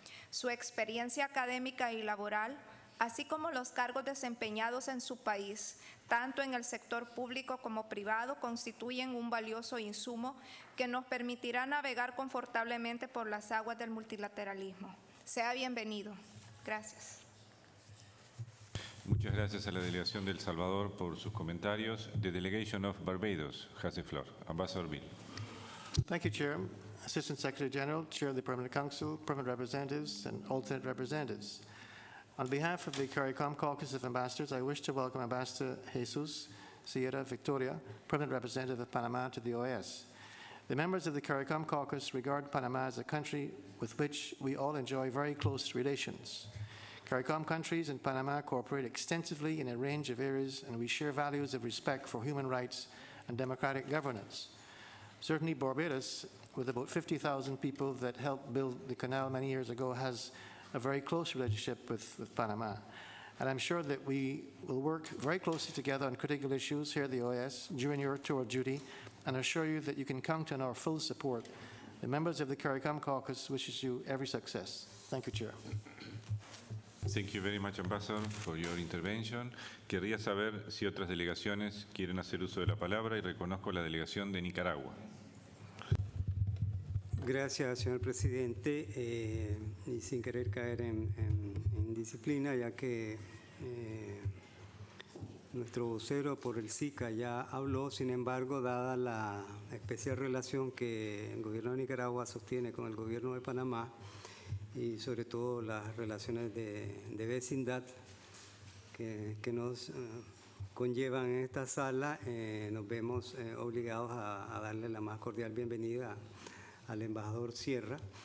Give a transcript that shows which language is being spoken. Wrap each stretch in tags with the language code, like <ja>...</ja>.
<es>Su experiencia académica y laboral, así como los cargos desempeñados en su país, tanto en el sector público como privado, constituyen un valioso insumo que nos permitirá navegar confortablemente por las aguas del multilateralismo. Sea bienvenido. Gracias. Muchas gracias a la delegación de El Salvador por sus comentarios.</es> <en>The Delegation of Barbados has the floor. Ambassador Bill. Thank you, Chair. Assistant Secretary General, Chair of the Permanent Council, Permanent Representatives, and Alternate Representatives. On behalf of the CARICOM Caucus of Ambassadors, I wish to welcome Ambassador Jesus Sierra Victoria, Permanent Representative of Panama, to the OAS. The members of the CARICOM Caucus regard Panama as a country with which we all enjoy very close relations. CARICOM countries and Panama cooperate extensively in a range of areas, and we share values of respect for human rights and democratic governance. Certainly, Barbados, with about 50,000 people that helped build the canal many years ago, has a very close relationship with Panama. And I'm sure that we will work very closely together on critical issues here at the OAS during your tour of duty, and assure you that you can count on our full support. The members of the CARICOM Caucus wishes you every success. Thank you, Chair. Thank you very much, Ambassador, for your intervention.</en> <es>Querría saber si otras delegaciones quieren hacer uso de la palabra y reconozco la delegación de Nicaragua. Gracias, señor presidente. Y sin querer caer en disciplina, ya que nuestro vocero por el SICA ya habló, sin embargo, dada la especial relación que el gobierno de Nicaragua sostiene con el gobierno de Panamá, y sobre todo las relaciones de vecindad que nos conllevan en esta sala, nos vemos obligados a darle la más cordial bienvenida al embajador Sierra.</es>